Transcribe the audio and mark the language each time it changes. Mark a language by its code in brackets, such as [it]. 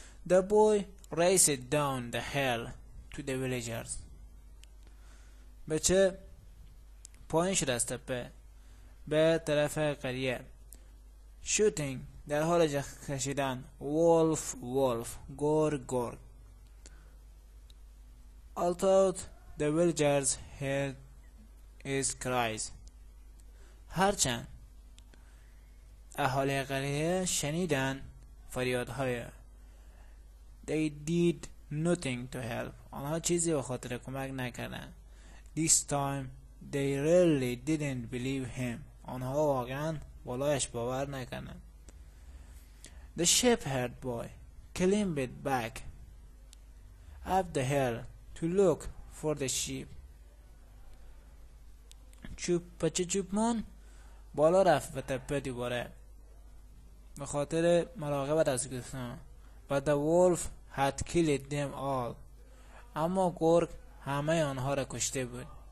[en] The boy raced down the hill to the villagers. [fa] بچه پایین شد از تپه به طرف قریه. [en] Shooting [fa] در حال جخ کشیدن. [en] Wolf, wolf. [fa] Gorg, gorg. [en] Although the villagers heard his cries. [fa] هرچند اهالی قریه شنیدن فریادهای. [en] They did nothing to help. [fa] آنها چیزی به خاطر کمک نکردن. [en] This time they really didn't believe him. [fa] آنها واقعا بالایش باور نکردن. [en] The shepherd boy climbed back up the hill to look for the sheep. [fa] بچه چوپمان بالا رفت به تپه دوباره به خاطر مراقبت از گوسفندان. [en] But the wolf had killed them all. [fa] اما گرگ همه آنها را کشته بود.